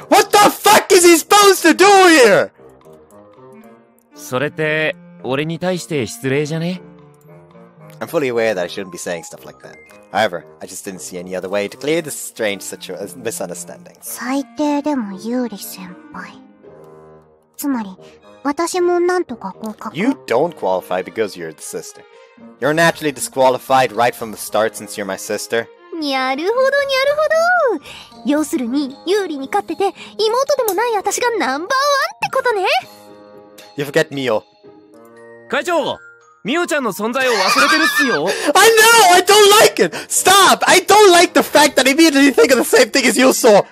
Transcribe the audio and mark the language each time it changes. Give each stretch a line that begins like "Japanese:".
English: To be fair, what the fuck is he supposed to do here?
Japanese: それって、俺に対して失礼じゃね？
English: I'm fully aware that I shouldn't be saying stuff like that. However, I just didn't see any other way to clear this strange misunderstanding.
Japanese: 最低でもユーリ先輩。つまり、私もなんとか合格。
English: You don't qualify because you're the sister. You're naturally disqualified right from the start since you're my sister.
Japanese: なるほど、なるほど。要するに、ユーリに勝ってて、妹でもない私がナンバーワンってことね。
English: You forget me, yo.
Japanese: 会長、ミオちゃんの存在を忘れてるっすよ。
English: I know! I don't like it! Stop! I don't like the fact that immediately you think of the same thing as you saw!